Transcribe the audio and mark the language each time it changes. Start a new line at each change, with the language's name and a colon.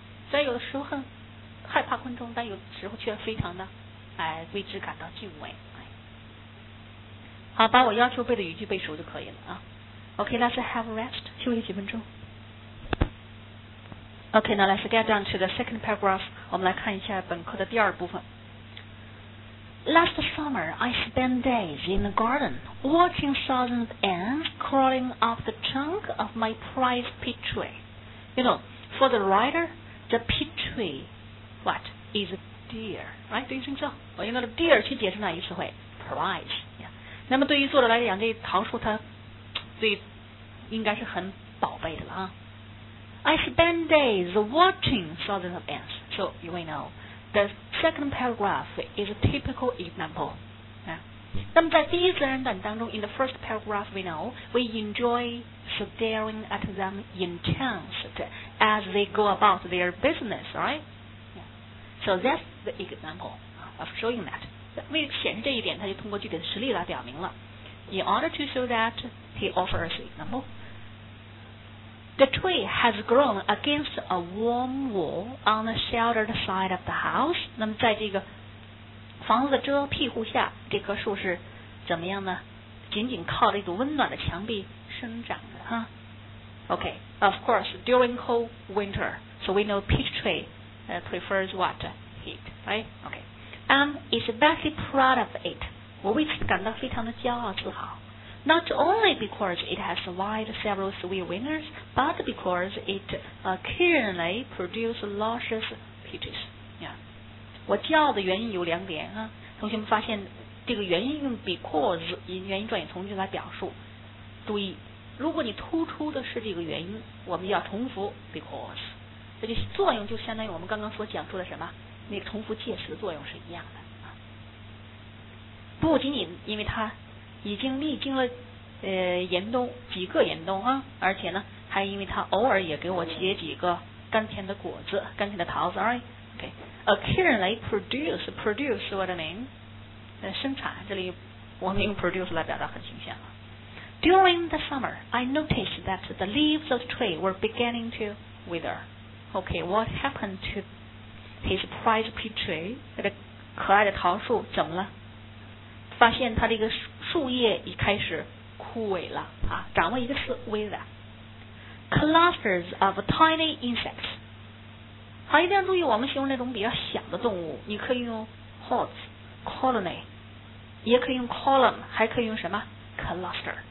Chinese: 虽然有的时候很害怕昆虫，但有时候却非常的为之感到敬畏。好，把我要求背的语句背熟就可以了啊。
English: OK, let's have a rest,
Chinese: 休息几分钟。
English: OK, now let's get down to the second paragraph.
Chinese: 我们来看一下本课的第二部分。
English: Last summer, I spent days in the garden, watching thousands of ants crawling up the trunk of my prized peach tree. You know, for the writer, the peach tree, what, is a deer, right? Do you think so?
Chinese: 我用到了 deer 去解释那一词汇 prize.、Yeah. 那么对于作者来讲，这桃树它最应该是很宝贝的了啊。
English: I spent days watching thousands of ants, so you may know. The second paragraph is a typical example.、Yeah.
Chinese: 那么在第一自然段当中
English: ，in the first paragraph we know we enjoy staring at them entranced as they go about their business, right?、Yeah. So that's the example of showing that.
Chinese: 为了显示这一点，他就通过具体的实例来表明了。
English: In order to show that, he offers example. The tree has grown against a warm wall on the sheltered side of the house.
Chinese: 那么在这个房子的遮庇护下，这棵树是怎么样呢？紧紧靠着一堵温暖的墙壁生长的哈。
English: Okay, of course, during cold winter, so we know peach tree prefers what? Heat, right? Okay. I'm especially proud of it.
Chinese: 我为此感到非常的骄傲自豪。
English: Not only because it has survived several severe winters, but because it currently produces luscious peaches. Yeah.
Chinese: 我骄傲的原因有两点啊，同学们发现这个原因用 because 以原因状语从句来表述。注意，如果你突出的是这个原因，我们要重复 because， 这个作用就相当于我们刚刚所讲出的什么那个重复介词作用是一样的。不仅仅因为它已经历经了严冬几个严冬啊，而且呢还因为它偶尔也给我结几个甘甜的果子，甘甜的桃子。
English: Occasionally produce, produce what I mean
Chinese: 生产，这里我们用 produce 来表达很形象。
English: During the summer I noticed that the leaves of the tree were beginning to wither. OK, what happened to his prized peach tree?
Chinese: 他的可爱的桃树怎么了？发现他的一个树叶已开始枯萎了啊，掌握一个词 wither。
English: Clusters of tiny insects.
Chinese: 好，一定要注意，我们形容那种比较小的动物，你可以用 hordes, colony, 也可以用 column, 还可以用什么 cluster.